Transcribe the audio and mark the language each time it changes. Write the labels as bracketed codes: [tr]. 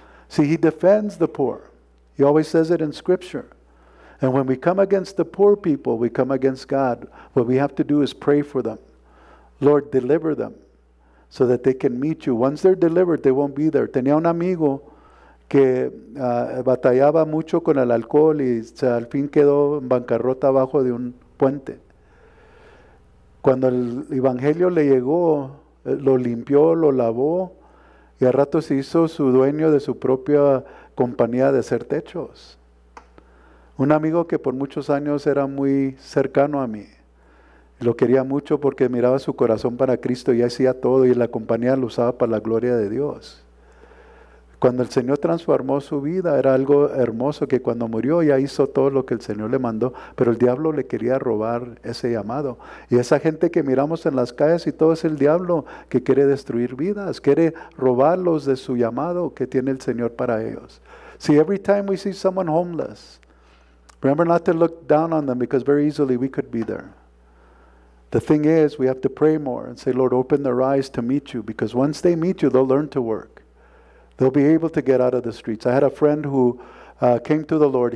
[en] See, he defends the poor. He always says it in scripture. And when we come against the poor people, we come against God. What we have to do is pray for them. Lord, deliver them so that they can meet you. Once they're delivered, they won't be there. [es] Tenía un amigo que batallaba mucho con el alcohol y al fin quedó en bancarrota abajo de un puente. Cuando el evangelio le llegó, lo limpió, lo lavó, y al rato se hizo su dueño de su propia compañía de hacer techos. Un amigo que por muchos años era muy cercano a mí, lo quería mucho porque miraba su corazón para Cristo y hacía todo, y la compañía lo usaba para la gloria de Dios. Cuando el Señor transformó su vida, era algo hermoso, que cuando murió ya hizo todo lo que el Señor le mandó, pero el diablo le quería robar ese llamado. Y esa gente que miramos en las calles y todo, es el diablo que quiere destruir vidas, quiere robarlos de su llamado que tiene el Señor para ellos. [en] See, every time we see someone homeless, remember not to look down on them, because very easily we could be there. The thing is, we have to pray more and say, Lord, open their eyes to meet you, because once they meet you, they'll learn to work. They'll be able to get out of the streets. I had a friend who came to the Lord.